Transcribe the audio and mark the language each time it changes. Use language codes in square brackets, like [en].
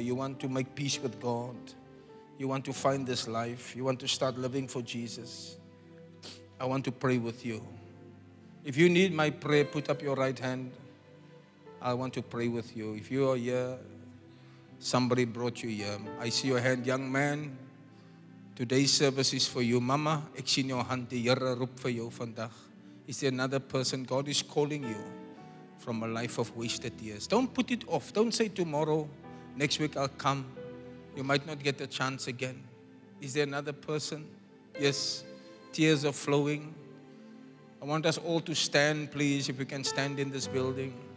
[en] You want to make peace with God. You want to find this life. You want to start living for Jesus. I want to pray with you. If you need my prayer, put up your right hand. I want to pray with you. If you are here, somebody brought you here. I see your hand, young man. Today's service is for you. [af] Mama, ek sien jou hand, die Here roep vir jou vandag. [en] Is there another person? God is calling you from a life of wasted years. Don't put it off. Don't say tomorrow, next week I'll come. You might not get a chance again. Is there another person? Yes, tears are flowing. I want us all to stand, please, if we can stand in this building.